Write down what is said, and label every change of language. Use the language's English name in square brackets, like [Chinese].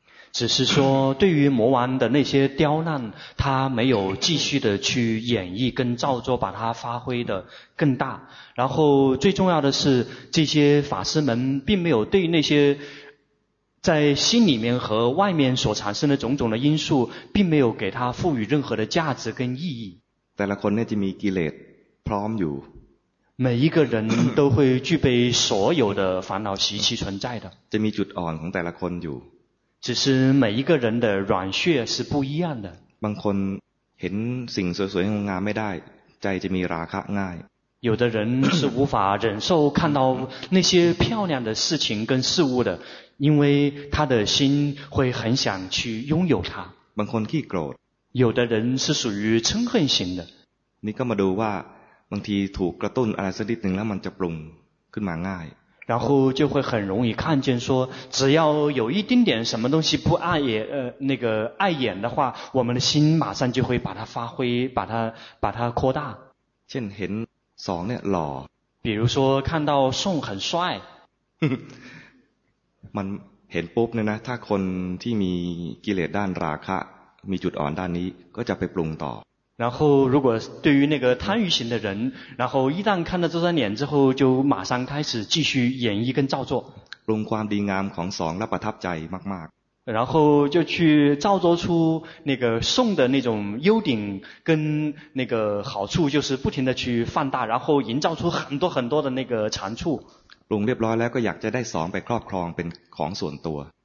[Chinese] 只是说对于魔王的那些刁难他没有继续的去演绎跟照作把它发挥的更大然后最重要的是这些法师们并没有对那些在心里面和外面所产生的种种的因素并没有给它赋予任何的价值跟意义。 [Thai] แต่ละคนเนี่ยจะมีกิเลสพร้อมอยู่ [Chinese] 每一个人都会具备所有的烦恼习气存在的 [Thai] จะมีจุดอ่อนของแต่ละคนอยู่ [Chinese] 只是每一个人的软穴是不一样的 [Thai] บางคนเห็นสิ่งสวยๆงามๆไม่ได้ใจจะมีราคะง่าย [Chinese] 有的人是无法忍受看到那些漂亮的事情跟事物的因为他的心会很想去拥有它 [Thai] บางคนขี้โกรธ [Chinese] 有的人是属于嗔恨型的 [Thai] นี่ก็มาดูว่าบางทีถูกกระตุ้นอะไรสักนิดหนึ่งแล้วมันจะปรุงขึ้นมาง่าย [Chinese] 然后就会很容易看见说只要有一丁点什么东西不碍眼那个碍眼的话我们的心马上就会把它发挥把它扩大 [Thai] เช่นเห็นสองเนี่ยหล่อ [Chinese] 比如说看到宋很帅 [Thai] มันเห็นปุ๊บเนี่ยนะถ้าคนที่มีกิเลสด้านราคะมีจุดอ่อนด้านนี้ก็จะไปปรุงต่อ [Chinese] 然后如果对于那个贪欲型的人然后一旦看到这张脸之后就马上开始继续演绎跟照做 [Thai] ปรุงความดีงามของสองและประทับใจมาก [Chinese] ๆ然后就去照做出那个宋的那种优点跟那个好处就是不停的去放大然后营造出很多很多的那个长处 [Thai] ปรุงเรียบร้อยแล้วก็อยากจะได้สองไปครอบครองเป็นของส่วนตัว